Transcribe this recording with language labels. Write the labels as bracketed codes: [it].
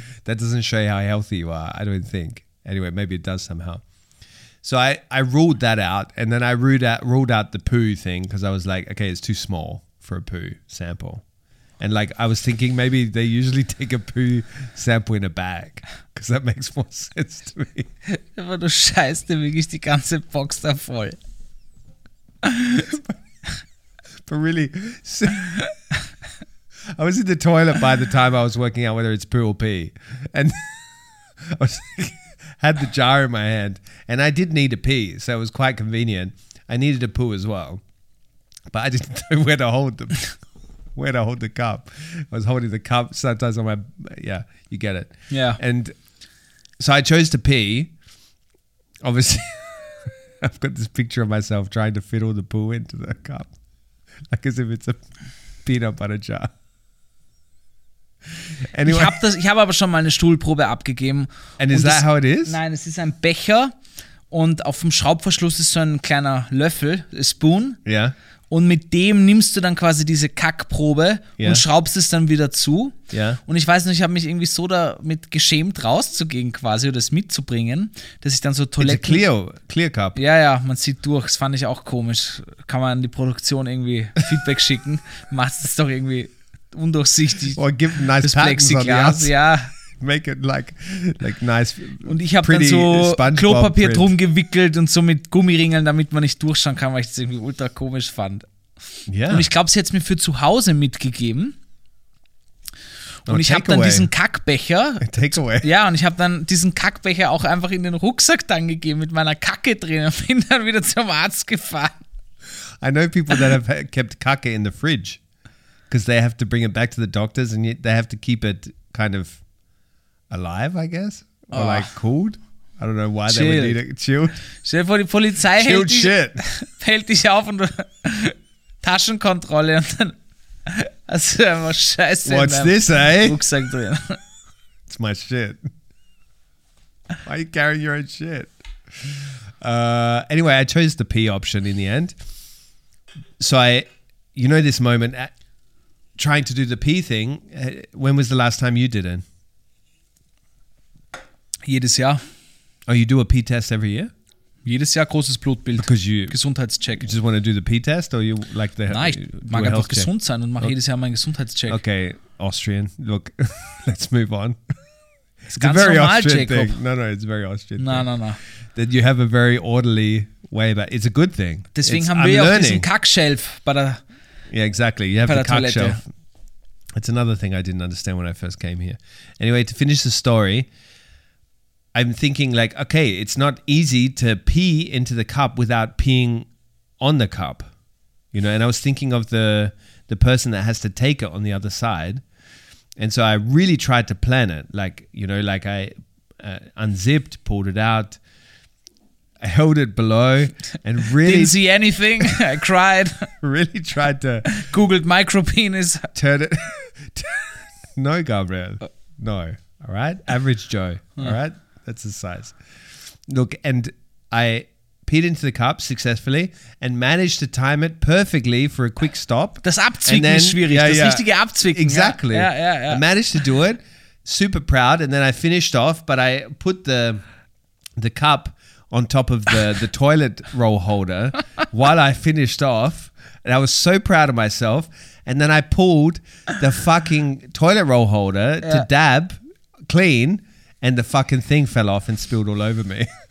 [en] That doesn't show you how healthy you are, I don't think. Anyway, maybe it does somehow. So I ruled that out. And then I ruled out the poo thing because I was like, okay, it's too small for a poo sample. And like, I was thinking maybe they usually take a poo sample in a bag because that makes more sense to me. [de] Aber du scheißt dir wirklich die ganze Box da voll. [en] But really, so, I was in the toilet by the time I was working out whether it's poo or pee. And I was had the jar in my hand and I did need a pee, so it was quite convenient. I needed a poo as well. But I didn't know where to hold the cup. I was holding the cup sometimes on my, yeah, you get it. Yeah. And so I chose to pee. Obviously, I've got this picture of myself trying to fit all the poo into the cup. Like as if it's a peanut butter jar. Anyway. [de] Ich habe aber schon mal eine Stuhlprobe abgegeben. [en] And is that how it is? [de] Nein, es ist ein Becher und auf dem Schraubverschluss ist so ein kleiner Löffel, [en] a spoon. [de] Ja. Yeah. Und mit dem nimmst du dann quasi diese Kackprobe und schraubst es dann wieder zu. [en] Yeah. [de] Und ich weiß nicht, ich habe mich irgendwie so damit geschämt, rauszugehen quasi oder es mitzubringen, dass ich dann so Toiletten... [en] It's a clear cup. [de] Ja, ja, man sieht durch. Das fand ich auch komisch. Kann man an die Produktion irgendwie Feedback schicken. Machst es doch irgendwie undurchsichtig. [en] Or give nice [de] das [en] patterns [de] Plexiglas. Ja. [en] Make it like nice, [de] und ich habe dann so SpongeBob Klopapier drum gewickelt und so mit Gummiringeln, damit man nicht durchschauen kann, weil ich das irgendwie ultra komisch fand. [en] Yeah. [de] Und ich glaube, sie hat es mir für zu Hause mitgegeben. Und ich habe dann diesen Kackbecher. Ja, und ich habe dann diesen Kackbecher auch einfach in den Rucksack dann gegeben mit meiner Kacke drin und bin dann wieder zum Arzt gefahren. [en] I know people that have kept Kacke in the fridge because they have to bring it back to the doctors and they have to keep it kind of alive, I guess, or like cooled. I don't know why chilled. They would need it chilled. [de] Stell dir vor, die Polizei hält dich auf und Taschenkontrolle und dann hast du einfach Scheiße [en] What's [de] in deinem [en] this, eh? [de] Rucksack drin. [en] It's my shit. Why are you carrying your own shit? Anyway, I chose the pee option in the end. So I, you know this moment, trying to do the pee thing, when was the last time you did it? [de] Jedes Jahr. [en] Oh, you do a pee test every year? [de] Jedes Jahr großes Blutbild. [en] Because you... [de] Gesundheitscheck. [en] You just want to do the pee test or you like the... [de] Nein, ich mag einfach gesund sein und mache jedes Jahr meinen Gesundheitscheck. [en] Okay, Austrian. Look, let's move on. It's ganz a very normal, Austrian Jacob. Thing. No, no, it's a very Austrian no, thing. No, no, no. That you have a very orderly way about... It's a good thing. [de] Deswegen [en] it's, [de] haben [en] I'm [de] wir [en] learning. [de] Auch diesen Kackshelf bei der [en] Yeah, exactly. You have the Kackshelf. That's another thing I didn't understand when I first came here. Anyway, to finish the story, I'm thinking like, okay, it's not easy to pee into the cup without peeing on the cup, you know? And I was thinking of the person that has to take it on the other side. And so I really tried to plan it. Like, you know, like I unzipped, pulled it out, I held it below and really didn't see anything. I cried. Really tried to Googled micropenis. Turn it. No, Gabriel. No. All right. Average Joe. All right. That's the size. Look, and I peed into the cup successfully and managed to time it perfectly for a quick stop. [de] Das Abzwicken then, ist schwierig. Yeah, das richtige Abzwicken. [en] Exactly. Yeah. Yeah, yeah, yeah. I managed to do it. Super proud. And then I finished off, but I put the cup on top of the toilet roll holder while I finished off. And I was so proud of myself. And then I pulled the fucking toilet roll holder to dab clean and the fucking thing fell off and spilled all over me.